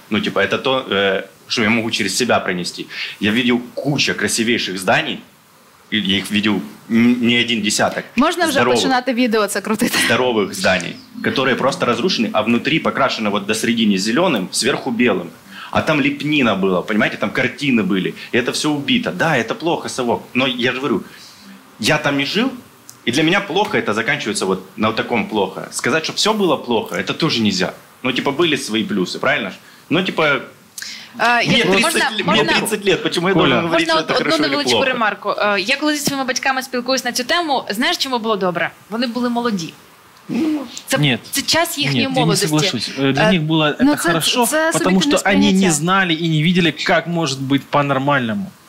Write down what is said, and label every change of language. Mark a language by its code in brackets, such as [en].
[uk] Ну, типу, це то, що я можу через себе пронести. Я бачив кучу красивіших зданий, я їх бачив не один десяток. Можна вже починати відео це крутити? Здорових зданий, які просто розрушені, а внутрі покрашено от до середини зеленим, зверху білим. [ru] А там лепнина была, понимаете, там картины были. И это все убито. Да, это плохо, совок. Но я же говорю, я там не жил, и для меня плохо это заканчивается вот на вот таком плохо. Сказать, что все было плохо, это тоже нельзя. Ну, типа, были свои плюсы, правильно? [uk] Ну, типа, мені 30 років, чому я Коля, можу говорити, що це хорошо чи плохо? Одну невеличку ремарку. Я коли зі своїми батьками спілкуюся на цю тему, знаєш, чому було добре? Вони були молоді. Це час їхньої молодості. Ні, я не соглашусь. Для них було це добре, тому що вони не знали і не бачили, як може бути по-нормальному.